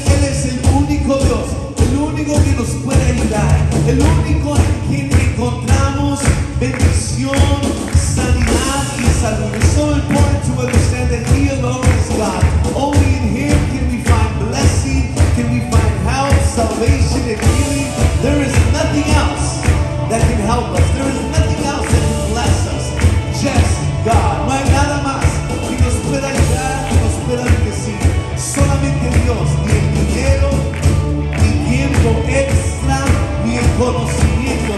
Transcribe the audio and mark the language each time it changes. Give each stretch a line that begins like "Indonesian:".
Spanish: Él es el único Dios, el único que nos puede ayudar, el único en quien encontramos bendición, sanidad y salud.
English: It's so important to understand that He alone is God. Only in Him can we find blessing, can we find health, salvation and healing. There is nothing else that can help us. There is nothing else that can bless us. Just God.
Spanish: No hay nada más que nos pueda ayudar, que nos pueda bendecir. Solamente Dios. Ni el dinero, ni tiempo extra, ni el conocimiento.